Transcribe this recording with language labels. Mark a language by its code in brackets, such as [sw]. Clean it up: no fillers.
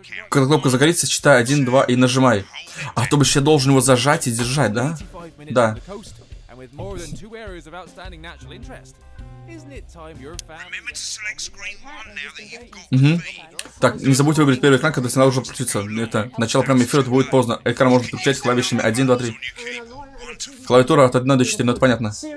[ru] Когда кнопка загорится, считай 1, 2 и нажимай. А то бы еще должен его зажать и держать, да? Да. [en] With more than two areas of outstanding natural interest. Isn't it time your family... [ru] Так, не забудьте выбрать первый экран, когда сигнал уже включится. Это начало прямо эфира, это будет поздно. Экран можно включать клавишами 1, 2, 3. Клавиатура от 1 до 4, ну это понятно.